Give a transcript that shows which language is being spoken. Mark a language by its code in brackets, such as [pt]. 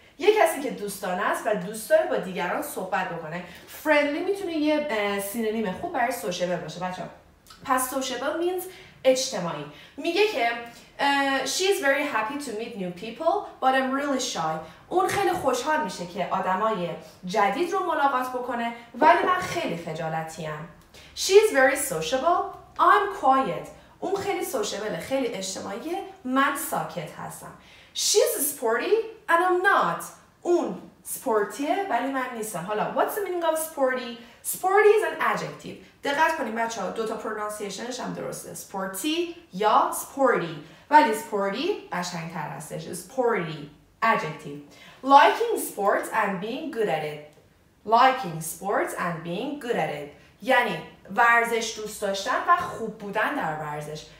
[fa] یه کسی که دوستانه است و دوست داره با دیگران صحبت بکنه. friendly میتونه یه سینونیم خوب برای sociable باشه بچه ها. پس [en] sociable means [fa] اجتماعی. میگه که [en] she is very happy to meet new people but I'm really shy. [fa] اون خیلی خوشحال میشه که آدمای جدید رو ملاقات بکنه ولی من خیلی خجالتیم. [en] She is very sociable. I'm quiet. [fa] اون خیلی سوشبله، خیلی اجتماعیه، من ساکت هستم. [en] She's sporty and I'm not. [fa] اون سپورتیه ولی من نیستم. حالا [en] what's the meaning of sporty؟ Sporty is an adjective. [fa] دقت کنیم بچه ها، دوتا پرونانسیشنش هم درسته، sporty یا sporty، ولی sporty قشنگ تر هستش. [en] Sporty adjective. Liking sports and being good at it. Liking sports and being good at it. [fa] یعنی ورزش دوست داشتن و خوب بودن در ورزش.